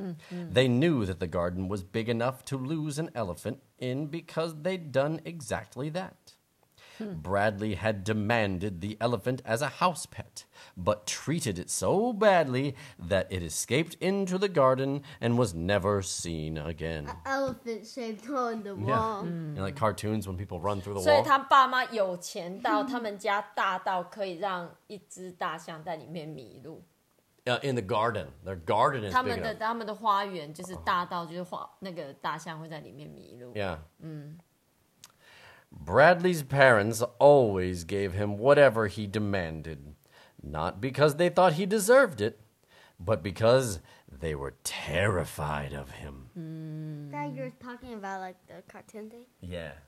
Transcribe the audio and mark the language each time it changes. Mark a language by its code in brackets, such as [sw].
[en] They knew that the garden was big enough to lose an elephant in because they'd done exactly that. Bradley had demanded the elephant as a house pet, but treated it so badly that it escaped into the garden and was never seen again. An elephant shaped on the wall. Yeah. You know, like cartoons when people run through the wall. [zh] 所以他爸妈有钱到他们家大到可以让一只大象在里面迷路。 [en] In the garden, their garden is big enough. [zh] 他们的花园就是大到就是花那个大象会在里面迷路。 [en] Bradley's parents always gave him whatever he demanded. not because they thought he deserved it, but because they were terrified of him. That you're talking about, like, the cartoon thing? Yeah.